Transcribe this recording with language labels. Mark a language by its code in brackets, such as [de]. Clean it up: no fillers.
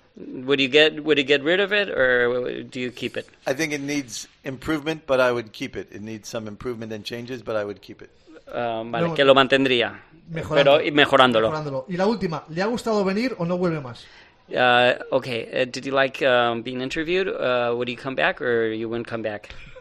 [en] Would you get rid of it or do you keep it? I think it needs improvement, but I would keep it. It needs some improvement and changes, but I would keep it. [es] Que lo mantendría, mejorándolo. Y la última, ¿le ha gustado venir o no vuelve más? [en] Did you like being interviewed? Would you come back or you wouldn't come back?